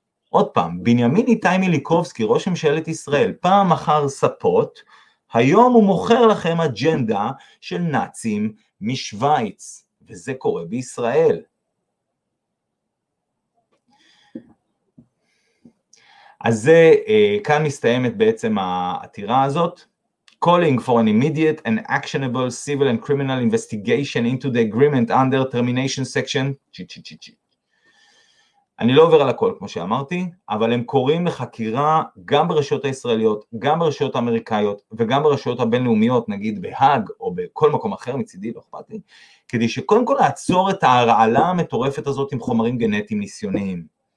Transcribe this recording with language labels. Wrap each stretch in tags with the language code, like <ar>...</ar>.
<he>עוד פעם, בנימין איתי מיליקובסקי, ראש ממשלת ישראל, פעם מחר ספות, היום הוא מוכר לכם אג'נדה של נאצים משוויץ, וזה קורה בישראל. אז זה, כאן מסתיימת בעצם העתירה הזאת.</he> <en>Calling for an immediate and actionable civil and criminal investigation into the agreement under termination section.</en> <he>אני לא עובר על הכל כמו שאמרתי, אבל הם קוראים לחקירה גם ברשויות הישראליות, גם ברשויות האמריקאיות, וגם ברשויות הבינלאומיות, נגיד בהג או בכל מקום אחר מצידי, לא אכפת לי, כדי שקודם כל לעצור את ההרעלה המטורפת הזאת עם חומרים גנטיים ניסיוניים.</he>